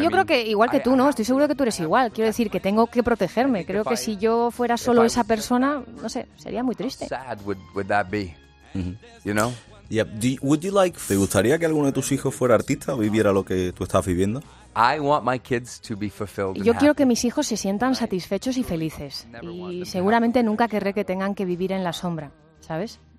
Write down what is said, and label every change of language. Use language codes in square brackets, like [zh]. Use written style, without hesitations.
[es] Yo creo que igual que tú, ¿no? Estoy seguro que tú eres igual. Quiero decir que tengo que protegerme. Creo que si yo fuera solo esa persona, no sé, sería muy triste. [en] Sad would that be? You know? Yep. [es] ¿Te gustaría que alguno de tus hijos fuera artista o viviera lo que tú estás viviendo? [en] I want my kids to be fulfilled. [es] Yo quiero que mis hijos se sientan satisfechos y felices. Y seguramente nunca querré que tengan que vivir en la sombra, ¿sabes?